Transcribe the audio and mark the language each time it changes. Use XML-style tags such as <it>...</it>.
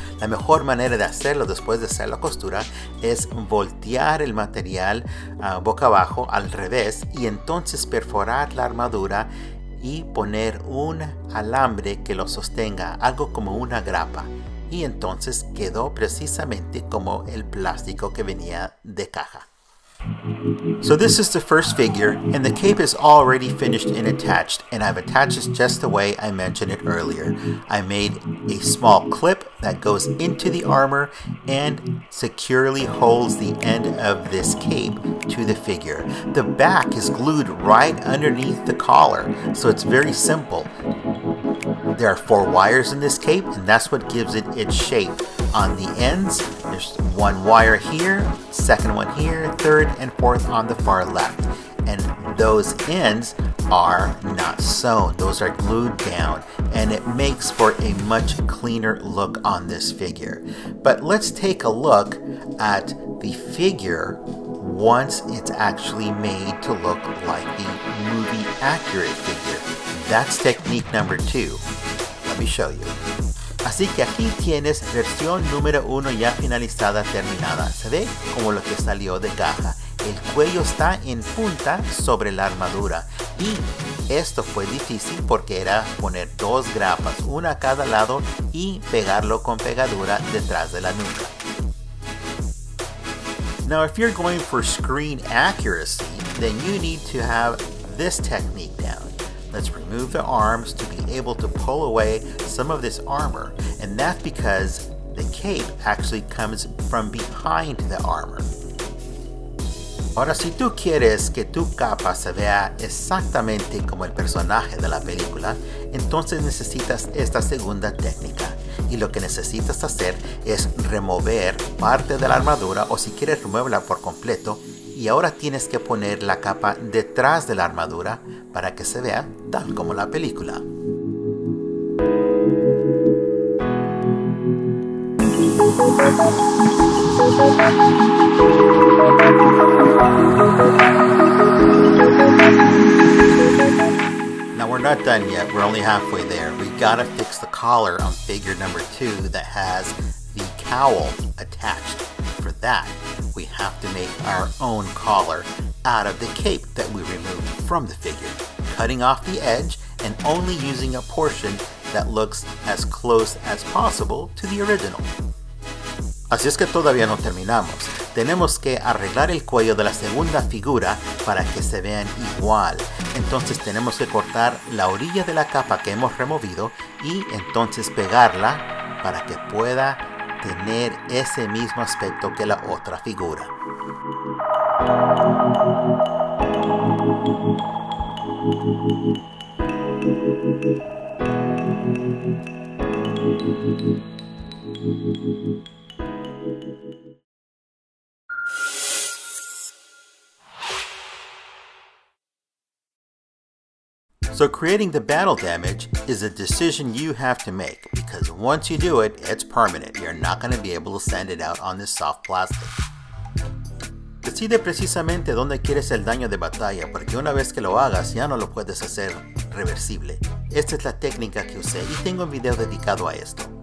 <es>La mejor manera de hacerlo después de hacer la costura es voltear el material boca abajo al revés y entonces perforar la armadura y poner un alambre que lo sostenga, algo como una grapa. Y entonces quedó precisamente como el plástico que venía de caja.</es> <en>So this is the first figure, and the cape is already finished and attached, and I've attached it just the way I mentioned it earlier. I made a small clip that goes into the armor and securely holds the end of this cape to the figure. The back is glued right underneath the collar, so it's very simple. There are four wires in this cape, and that's what gives it its shape. On the ends, there's one wire here, second one here, third and fourth on the far left. And those ends are not sewn. Those are glued down, and it makes for a much cleaner look on this figure. But let's take a look at the figure once it's actually made to look like the movie accurate figure. That's technique number two. Let me show you.</en> <es>Así que aquí tienes versión número 1 ya finalizada, terminada. Se ve como lo que salió de caja. El cuello está en punta sobre la armadura. Y esto fue difícil porque era poner dos grapas, una a cada lado, y pegarlo con pegadura detrás de la nuca.</es> <en>Now, if you're going for screen accuracy, then you need to have this technique down. Let's remove the arms to be able to pull away some of this armor. And that's because the cape actually comes from behind the armor.</en> <es>Ahora, si tú quieres que tu capa se vea exactamente como el personaje de la película, entonces necesitas esta segunda técnica. Y lo que necesitas hacer es remover parte de la armadura, o si quieres removerla por completo, y ahora tienes que poner la capa detrás de la armadura para que se vea tal como la película.</es> <en>Now we're not done yet, we're only halfway there. We gotta fix the collar on figure number 2 that has the cowl attached. For that, we have to make our own collar out of the cape that we removed from the figure, cutting off the edge and only using a portion that looks as close as possible to the original.</en> <es>Así es que todavía no terminamos. Tenemos que arreglar el cuello de la segunda figura para que se vean igual. Entonces tenemos que cortar la orilla de la capa que hemos removido y entonces pegarla para que pueda tener ese mismo aspecto que la otra figura.</es> <en>So creating the battle damage is a decision you have to make, because once you do it, it's permanent. You're not going to be able to send it out on this soft plastic.</en> <es>Decide precisamente dónde quieres el daño de batalla, porque una vez que lo hagas, ya no lo puedes hacer reversible. Esta es la técnica que usé y tengo un video dedicado a esto.</es>